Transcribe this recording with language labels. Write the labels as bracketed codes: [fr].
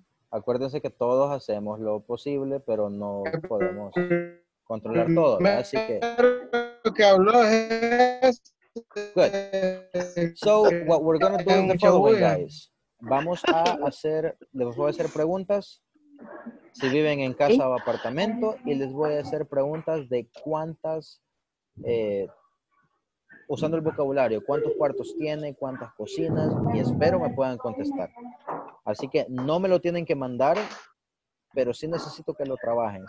[es] Acuérdense que todos hacemos lo posible, pero no podemos controlar todo. Así que. Lo que habló es. [en] Good. So, what we're going to do in the following, guys. [es] Vamos a hacer. Les voy a hacer preguntas. Si viven en casa o apartamento, y les voy a hacer preguntas de cuántas, usando el vocabulario, cuántos cuartos tiene, cuántas cocinas, y espero me puedan contestar. Así que no me lo tienen que mandar, pero sí necesito que lo trabajen.